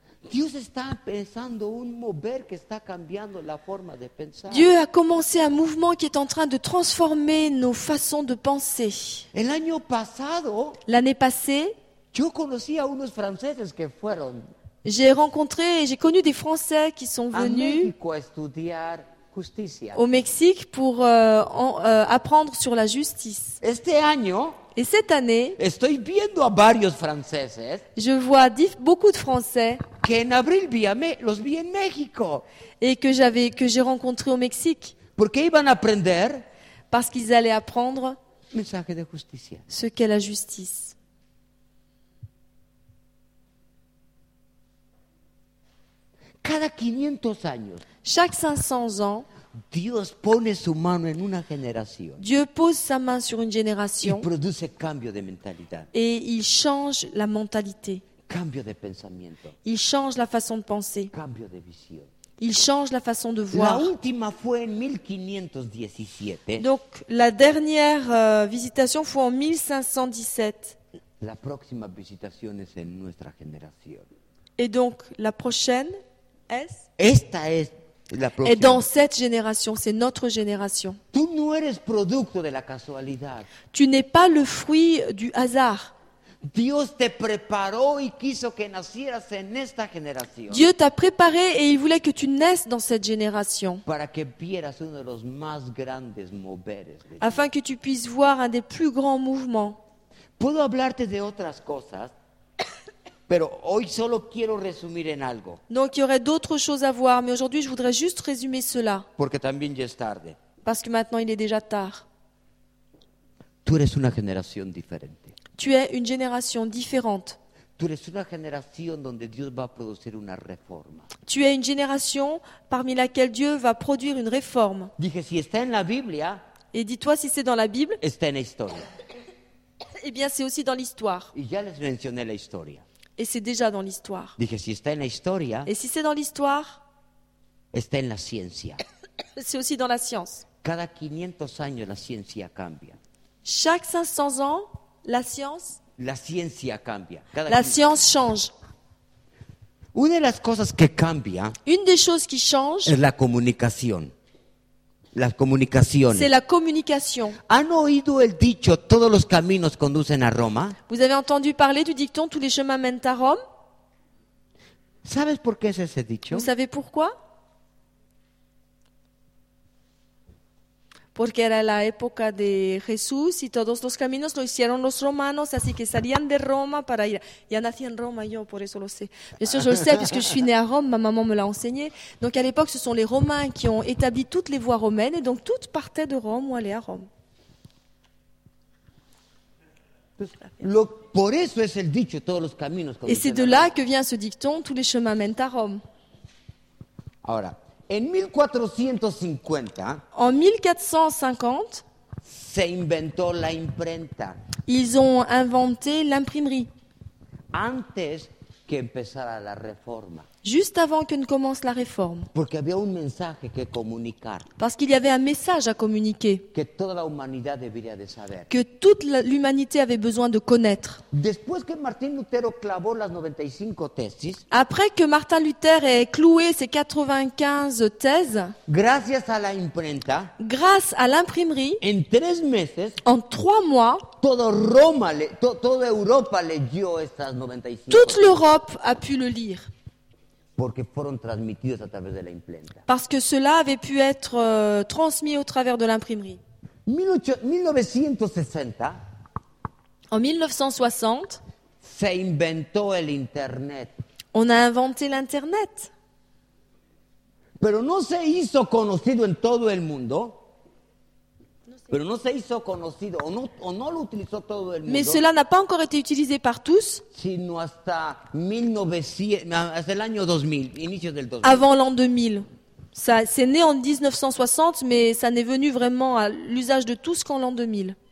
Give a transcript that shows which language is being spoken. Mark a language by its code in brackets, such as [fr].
[es] Dios está pensando un mover que está cambiando la forma de pensar. [fr] Dieu a commencé un mouvement qui est en train de transformer nos façons de penser. [es] El año pasado, [fr] l'année passée, [es] yo conocí a unos franceses que fueron. [fr] J'ai rencontré et j'ai connu des Français qui sont venus [es] a México a estudiar justicia. [fr] Au Mexique pour apprendre sur la justice. [es] Este año, [fr] et cette année, [es] estoy viendo a varios franceses, [fr] je vois beaucoup de Français [es] que en abril los vi en México. [fr] Et que j'ai rencontré au Mexique. [es] Porque iban a aprender [fr] parce qu'ils allaient apprendre [es] mensaje de justicia. [fr] Ce qu'est la justice. [es] Cada 500 años, [fr] chaque 500 ans, [es] Dios pone su mano en una generación, [fr] Dieu pose sa main sur une génération [es] y produce cambio de mentalidad, [fr] et il change la mentalité. [es] Cambio de pensamiento, [fr] il change la façon de penser. [es] Cambio de visión, [fr] il change la façon de voir. [es] La última fue en 1517, [fr] donc la dernière visitation [es] fue [fr] en 1517. [es] La próxima visitación es en nuestra generación. [fr] Et donc la prochaine. [es] Esta es la próxima. [fr] Et dans cette génération, c'est notre génération. [es] Tú no eres producto de la casualidad. [fr] Tu n'es pas le fruit du hasard. [es] Dios te preparó y quiso que nacieras en esta generación. [fr] Dieu t'a préparé et il voulait que tu naisses dans cette génération. [es] Para que vieras uno de los más grandes moveres. [fr] Afin que tu puisses voir un des plus grands mouvements. [es] Puedo hablarte de otras cosas. Pero hoy solo quiero resumir en algo. [fr] Donc il y aurait d'autres choses à voir, mais aujourd'hui je voudrais juste résumer cela. [es] Porque también ya es tarde. [fr] Parce que maintenant il est déjà tard. [es] Tú eres una generación diferente. [fr] Tu es une génération différente. [es] Tú eres una generación donde Dios va a producir una reforma. [fr] Tu es une génération parmi laquelle Dieu va produire une réforme. [es] Dije, si está en la Biblia, [fr] et dis-toi si c'est dans la Bible. [es] Está en la historia. [fr] Et bien c'est aussi dans l'histoire. [es] Y ya les mencioné la historia. [fr] Et c'est déjà dans l'histoire. [es] Dije, si está en la historia, [fr] et si c'est dans l'histoire, [es] está en la ciencia. [fr] C'est aussi dans la science. [es] Cada 500 años, la ciencia cambia. [fr] Chaque 500 ans, la science. [es] La ciencia cambia. Cada la [fr] 500... science change. [es] Una de las cosas que cambia. [fr] Une des choses qui change. [es] Es la comunicación. La comunicación. [fr] C'est la communication. [es] ¿Han oído el dicho todos los caminos conducen a Roma? [fr] Vous avez entendu parler du dicton tous les chemins mènent à Rome? [es] ¿Sabes por qué es ese dicho? [fr] Vous savez pourquoi? [es] Porque era la época de Jesús y todos los caminos lo hicieron los romanos, así que salían de Roma para ir. Ya nací en Roma, yo por eso lo sé. [fr] Bien sûr, je le sais, puisque je suis née à Rome, ma maman me l'a enseigné. Donc à l'époque, ce sont les Romains qui ont établi toutes les voies romaines, et donc toutes partaient de Rome ou allaient à Rome. [es] Por eso es el dicho, todos los caminos. [fr] Et c'est de là que vient ce dicton, tous les chemins mènent à Rome. [es] Ahora. En 1450, [fr] en 1450, [es] se inventó la imprenta. [fr] Ils ont inventé l'imprimerie. [es] Antes que empezara la reforma. [fr] Juste avant que ne commence la réforme. [es] Porque había un mensaje que comunicar. [fr] Parce qu'il y avait un message à communiquer. [es] Que toda la humanidad debería de saber. [fr] Que toute l'humanité avait besoin de connaître. [es] Después que Martín Lutero clavó las 95 tesis. [fr] Après que Martin Luther ait cloué ses 95 thèses. [es] Gracias a la imprenta. [fr] Grâce à l'imprimerie. [es] En tres meses. [fr] En trois mois. [es] Todo Roma, toda Europa leyó estas 95. [fr] Toute l'Europe a pu le lire. [es] Porque fueron transmitidos a través de la imprenta. [fr] Parce que cela avait pu être transmis au travers de l'imprimerie. [es] 1960. [fr] En 1960. [es] Se inventó el internet. [fr] On a inventé l'internet. [es] Pero no se hizo conocido en todo el mundo. Pero no se hizo conocido o no lo utilizó todo el mundo. [fr] Mais cela n'a pas encore été utilisé par tous. [es] Sino hasta 1900, hasta el año 2000, inicio del 2000. [fr] Avant l'an 2000. Ça c'est né en 1960 mais ça n'est venu vraiment à l'usage de tous qu'en l'an 2000.